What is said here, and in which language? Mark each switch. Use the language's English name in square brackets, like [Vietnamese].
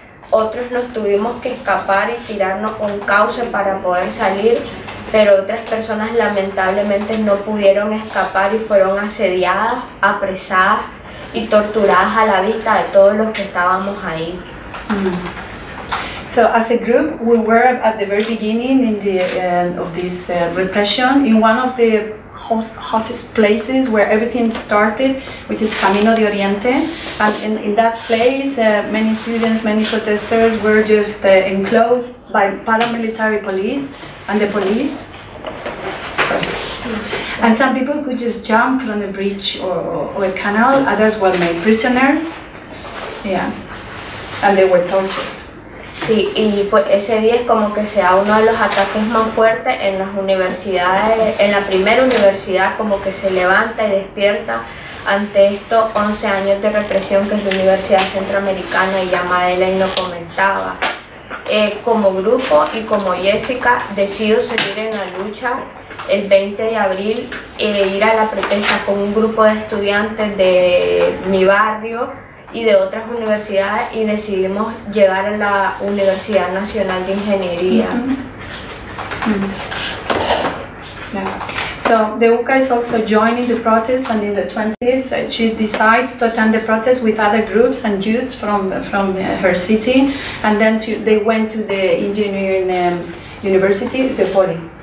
[Spanish] Otros nos tuvimos que escapar y tirarnos un cauce para poder salir, pero otras personas lamentablemente no pudieron escapar y fueron asediadas, apresadas y torturadas a la vista de todos los que estábamos ahí. [English] So as a group, we were at the very beginning in the of this repression in one of the hottest places where everything started, which is Camino de Oriente. And in that place, many students, many protesters were just enclosed by paramilitary police and the police. And some people could just jump from a bridge or a canal, others were made prisoners. Yeah. And they were tortured. [Spanish] Sí, y pues ese día es como que sea uno de los ataques más fuertes en las universidades, en la primera universidad como que se levanta y despierta ante estos 11 años de represión que es la Universidad Centroamericana y ya Madeleine lo comentaba. Como grupo y como Jessica decido seguir en la lucha el 20 de abril e ir a la protesta con un grupo de estudiantes de mi barrio y de otras universidades y decidimos llegar a la Universidad Nacional de Ingeniería. [English] So the UCA is also joining the protests, and in the 20s she decides to attend the protests with other groups and youths from her city, and then they went to the engineering university, the poly.